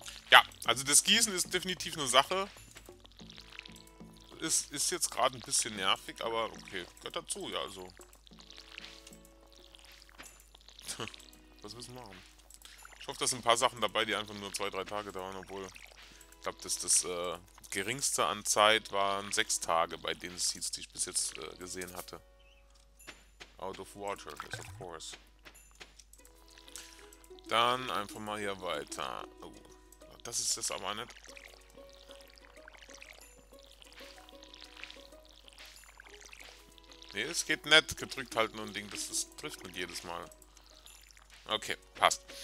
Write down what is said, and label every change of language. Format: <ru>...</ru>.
<de>Ja, also das Gießen ist definitiv eine Sache. Ist jetzt gerade ein bisschen nervig, aber okay, gehört dazu, ja, also. Was müssen wir machen? Ich hoffe, da sind ein paar Sachen dabei, die einfach nur 2-3 Tage dauern, obwohl... Ich glaube, das, geringste an Zeit waren 6 Tage bei den Seeds, die ich bis jetzt gesehen hatte.</de> <en>Out of water, yes, of course.</en> <de>Dann einfach mal hier weiter. Oh. Das ist das aber nicht. Nee, es geht nicht. Gedrückt halten und Ding. Das trifft nicht jedes Mal. Okay, passt.</de>